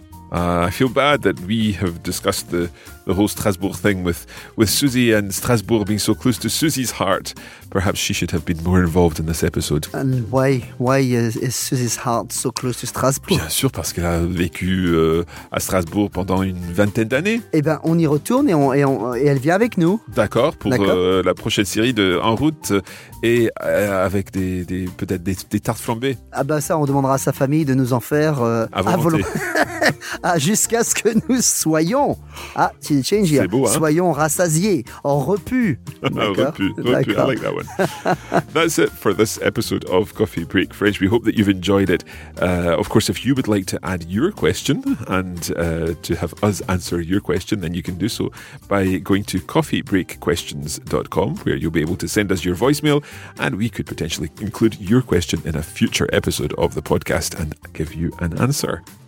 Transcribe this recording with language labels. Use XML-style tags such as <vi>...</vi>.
<en>I feel bad that we have discussed the whole Strasbourg thing with Susie, and Strasbourg being so close to Susie's heart. Perhaps she should have been more involved in this episode. And why? Why is Susie's heart so close to Strasbourg?</en> <fr>Bien sûr, parce qu'elle a vécu à Strasbourg pendant une vingtaine d'années. Eh bien, on y retourne et elle vient avec nous. D'accord, pour la prochaine série de En route et avec peut-être des tartes flambées. Ah ben ça, on demandera à sa famille de nous en faire à volonté. Ah, jusqu'à ce que nous soyons, soyons rassasiés, en repu.</fr> <en>repu, I like that one. That's it for this episode of Coffee Break French. We hope that you've enjoyed it. Of course, if you would like to add your question and to have us answer your question, then you can do so by going to coffeebreakquestions.com, where you'll be able to send us your voicemail, and we could potentially include your question in a future episode of the podcast and give you an answer.</en>